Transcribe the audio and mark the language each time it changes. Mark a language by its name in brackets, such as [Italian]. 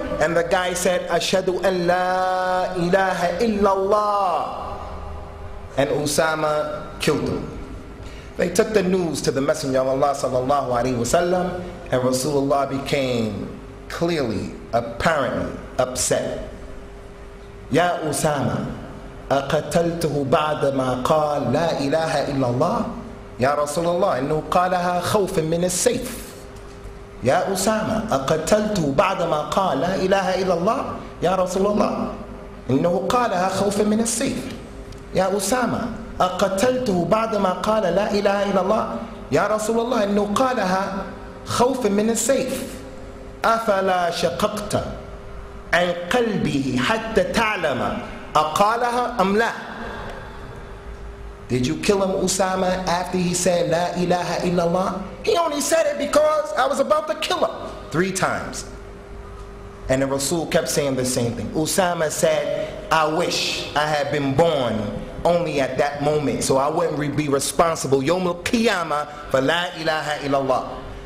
[English] And the guy said, [Arabic] Ashhadu an la ilaha illallah. [English] And Usama killed him. They took the news to the Messenger of Allah sallallahu alaihi wasallam, and Rasulullah became clearly, apparently upset. [Arabic] Ya Usama, أقتلته بعد ما قال لا إله إلا الله يا رسول الله إنه قالها خوفا من السيف يا أسامة أقتلته بعد ما قال لا إله إلا الله يا رسول الله إنه قالها خوفا من السيف يا أسامة أقتلته بعد ما قال لا إله إلا الله يا رسول الله إنه قالها خوفا من السيف أفلا شققت عن قلبه حتى تعلم Aqalaha amla. [English] Did you kill him, Usama, after he said la ilaha illallah? He only said it because I was about to kill him. Three times. And the Rasul kept saying the same thing. Usama said, I wish I had been born only at that moment so I wouldn't be responsible yawm al-qiyamah for la ilaha illallah.